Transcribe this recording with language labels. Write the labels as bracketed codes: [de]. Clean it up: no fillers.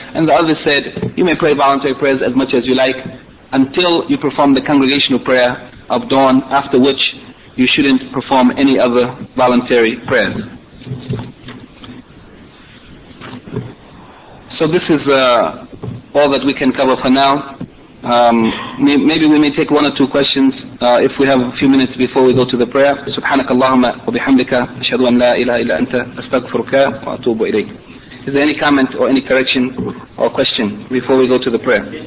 [en] And the others said, you may pray voluntary prayers as much as you like until you perform the congregational prayer of dawn, after which you shouldn't perform any other voluntary prayers. So this is all that we can cover for now. Maybe we may take one or two questions if we have a few minutes before we go to the prayer. [ar] سبحانك اللهم وبحمدك أشهد أن لا إله إلا أنت أستغفرك وأتوب إليك. [en] Is there any comment or any correction or question before we go to the prayer?